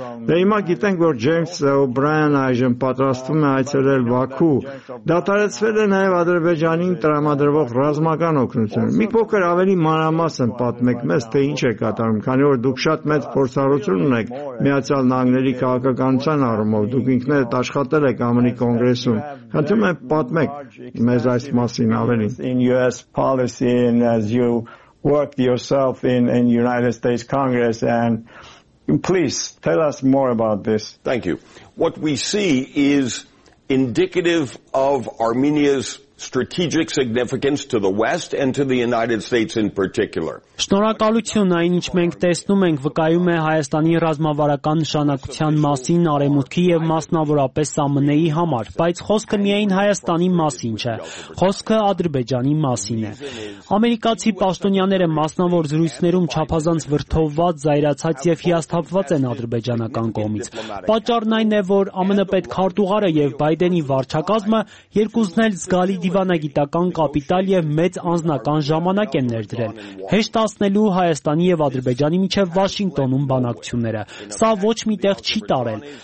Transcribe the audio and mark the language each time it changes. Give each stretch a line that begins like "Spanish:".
Armenian: Դե հիմա գիտենք, որ Ջեյմս Օ'Բրայան այժմ պատրաստվում է այցելել Բաքու։ Դատարացվել է նաև Ադրբեջանին տրամադրվող ռազմական օգնություն։ Մի փոքր ավելի մանրամասն են պատմեք մեզ, թե ինչ է կատարում, քանի որ դուք շատ մեծ փորձառություն ունեք Միացյալ Նահանգների քաղաքականության առումով, դուք ինքներդ աշխատել եք ԱՄՆ-ի կոնգրեսում, խնդրում եմ պատմեք մեզ այս մասին ավելին։
English: In US policy and as you worked yourself in United States Congress, and please tell us more about this. Thank you. What we see is indicative of Armenia's strategic significance to the West and to the United States in particular.
Armenian: Շնորհակալություն, այն ինչ մենք տեսնում ենք, վկայում է Հայաստանի ռազմավարական նշանակության մասին արեմուտքի եւ մասնավորապես ԱՄՆ-ի համար, բայց խոսքը միայն Հայաստանի մասին չէ, խոսքը Ադրբեջանի մասին է։ Ամերիկացի պաշտոնյաները մասնավոր զրույցներում չափազանց վրթովված, զայրացած եւ հիասթափված են ադրբեջանական կողմից։ Պատճառն այն է, որ ԱՄՆ պետքարտուղարը եւ Բայդենի վարչակազմը երկուսն էլ զգալի դիվանագիտական կապիտալ եւ մեծ անձնական ժամանակ են ներդրել հեշտ տասնելու Հայաստանի եւ Ադրբեջանի միջեւ Վաշինգտոնում բանակցությունները։ Սա ոչ մի տեղ չի տարել։